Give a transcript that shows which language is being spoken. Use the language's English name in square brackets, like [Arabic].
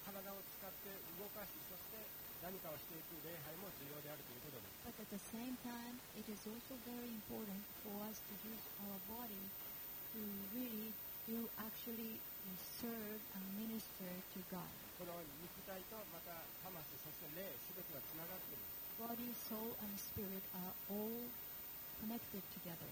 [Japanese] 体を使って動かし、そして何かをしていく礼拝も重要であるということです。 [English] But at the same time, it is also very important for us to use our body to really do actually serve and minister to God. [Japanese] この肉体とまた魂、そして霊、すべてがつながっています。 [English] Body, soul, and spirit are all connected together.